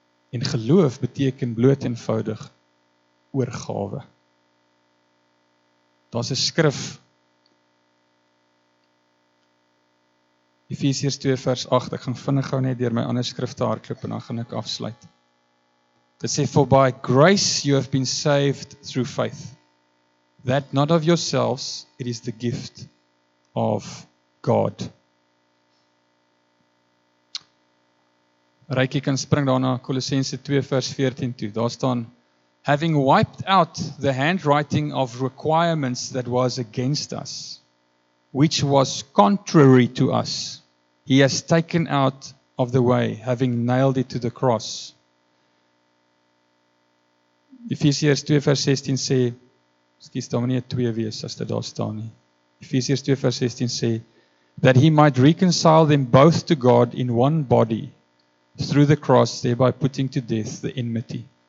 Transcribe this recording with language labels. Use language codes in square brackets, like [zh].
[af] En geloof beteken bloot eenvoudig oorgawe. Daar's 'n skrif Efesiërs 2 vers 8. Ek gaan vinnig gou net deur my ander skrifte hardloop en dan gaan ek afsluit. Dit sê [en] for by grace you have been saved through faith. That not of yourselves, it is the gift of God. [af] Rykie kan spring daarna Kolossense 2 vers 14 toe. Daar staan [en] having wiped out the handwriting of requirements that was against us, which was contrary to us, he has taken out of the way, having nailed it to the cross. [af] Efesiërs 2 vers 16 sê, skus, daar moet nie 'n 2 wees as dit daar staan nie. Efesiërs 2 vers 16 sê [en] that he might reconcile them both to God in one body through the cross, thereby putting to death the enmity.